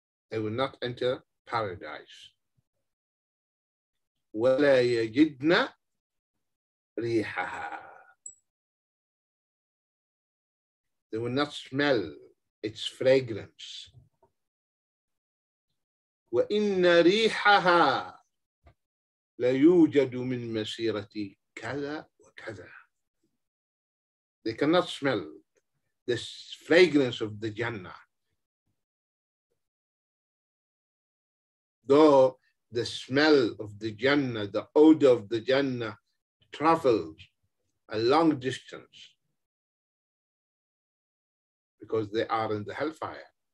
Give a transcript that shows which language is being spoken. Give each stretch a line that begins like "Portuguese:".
English: They will not enter paradise.
Arabic: ولا يجدن ريحها.
English: They will not smell its fragrance.
Arabic: وإن ريحها لا يوجد من مسيرتي كذا وكذا.
English: They cannot smell this fragrance of the Jannah. Though the smell of the Jannah, the odor of the Jannah travels a long distance because they are in the hellfire.